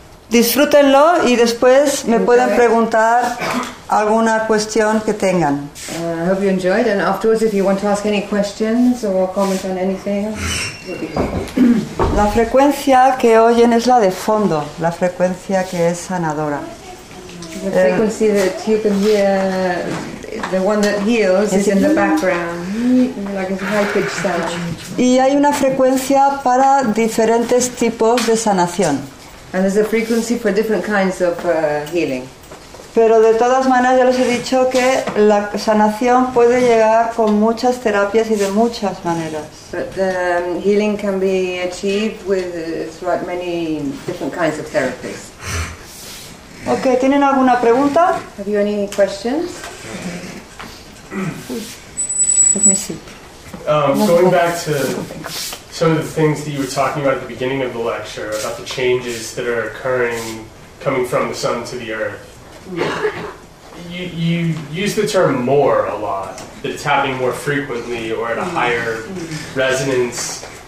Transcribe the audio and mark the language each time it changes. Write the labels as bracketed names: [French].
[Spanish] Disfrútenlo y después me pueden preguntar alguna cuestión que tengan. [English] I hope you enjoyed, and afterwards, if you want to ask any questions or comment on anything, [Spanish] la frecuencia que oyen es la de fondo, la frecuencia que es sanadora. [English] The frequency that you can hear, the one that heals, is in the background, like a high pitched sound. [Spanish] Y hay una frecuencia para diferentes tipos de sanación. [English] And there's a frequency for different kinds of healing. [Spanish] Pero de todas maneras ya les he dicho que la sanación puede llegar con muchas terapias y de muchas maneras. [English] But the healing can be achieved with throughout many different kinds of therapies. [Spanish] Okay, ¿tienen alguna pregunta? [English] Have you any questions? Let me see. Going back to some of the things that you were talking about at the beginning of the lecture, about the changes that are occurring, coming from the sun to the earth, you use the term more a lot, that it's happening more frequently or at a higher resonance.